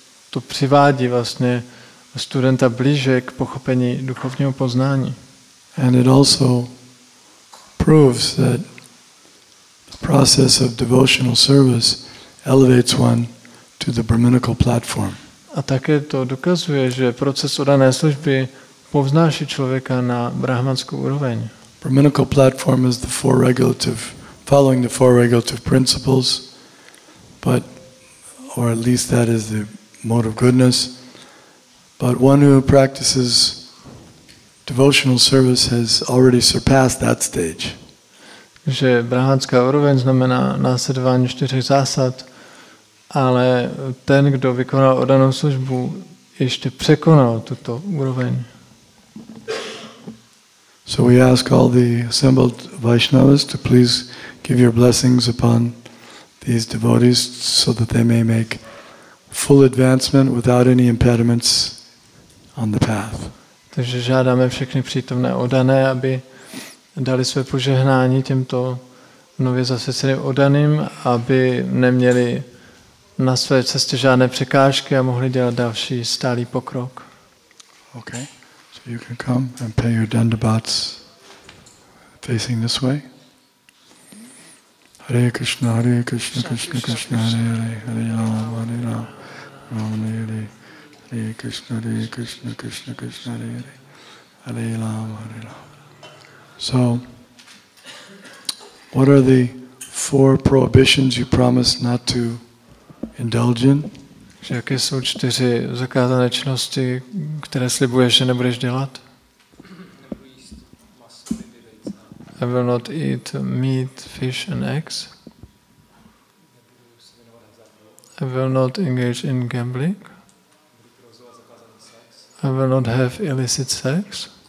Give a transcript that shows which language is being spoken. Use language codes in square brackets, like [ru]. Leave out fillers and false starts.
[cs] To přivádí vlastně studenta blíže k pochopení duchovního poznání. [en] And it also proves that the process of devotional service elevates one to the brahminical platform. [cs] A také to dokazuje, že proces oddané služby povznáší člověka na brahmanskou úroveň. [en] Brahminical platform is the four regulative, following the four regulative principles, but, or at least that is the mode of goodness. But one who practices devotional service has already surpassed that stage. [cs] Že brahmanská úroveň znamená následování čtyř zásad, ale ten, kdo vykonal oddanou službu, ještě překonal tuto úroveň. [en] So we ask all the assembled Vaishnavas to please give your blessings upon these devotees so that they may make full advancement without any impediments on the path. [cs] Takže žádáme všechny přítomné oddané, aby dali své požehnání těmto nově zasvěceným oddaným, aby neměli na své cestě žádné překážky a mohli dělat další stálý pokrok. [en] Okay. So you can come and pay your dandabats facing this way. [sa] Hare Krishna, Hare Krishna, Krishna Krishna, Hare Hare, Hare Rama, Hare Rama, Rama Rama, Hare Hare, Hare Krishna, Hare Krishna, Krishna Krishna, Hare Hare, Hare Rama, Hare Rama. [en] So, what are the four prohibitions you promised not to indulge in? [cs] Jaké jsou čtyři zakázané činnosti, které slibuješ, že nebudeš dělat? [en] I will not eat meat, fish and eggs. I will not engage in gambling. I will not have illicit sex.